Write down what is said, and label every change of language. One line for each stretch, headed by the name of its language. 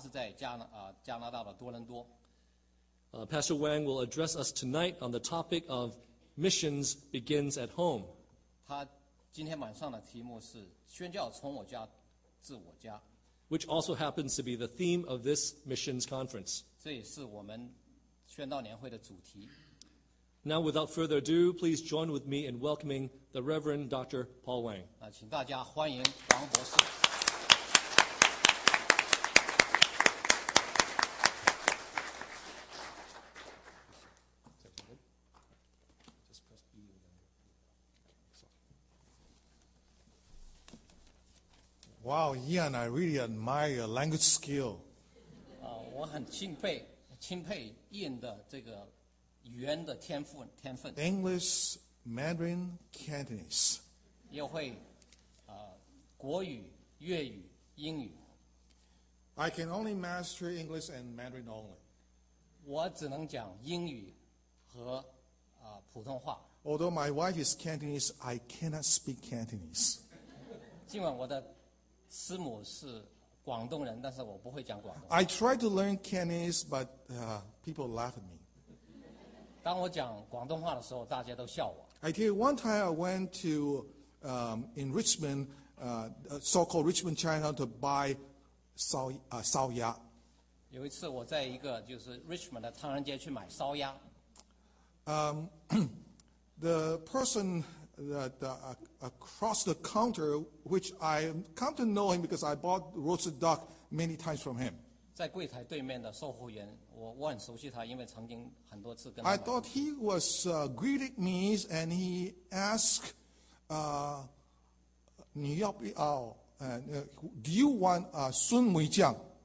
Chinese: 王牧师的师母，他们家是在加拿大的多伦多。
English: Pastor Wang will address us tonight on the topic of missions begins at home.
Chinese: 他今天晚上的题目是宣教从我家至我家。
English: Which also happens to be the theme of this missions conference.
Chinese: 这也是我们宣道年会的主题。
English: Now, without further ado, please join with me in welcoming the Reverend Dr. Paul Wang.
Chinese: 请大家欢迎王博士。
English: Wow, Ian, I really admire your language skill.
Chinese: 我很钦佩Ian的这个语言的天分。
English: English, Mandarin, Cantonese.
Chinese: 又会国语、粤语、英语。
English: I can only master English and Mandarin only.
Chinese: 我只能讲英语和普通话。
English: Although my wife is Cantonese, I cannot speak Cantonese.
Chinese: 尽管我的 师母是广东人，但是我不会讲广东。
English: I tried to learn Cantonese, but people laugh at me.
Chinese: 当我讲广东话的时候，大家都笑我。
English: I tell you, one time I went to in Richmond, so-called Richmond, China, to buy sao ya.
Chinese: 有一次我在一个就是 Richmond 的唐人街去买烧鸭。
English: The person that across the counter, which I come to know him because I bought roasted duck many times from him.
Chinese: 在柜台对面的售货员，我很熟悉他，因为曾经很多次跟他。
English: I thought he was greeting me, and he asked, do you want Sun Mui Jiang?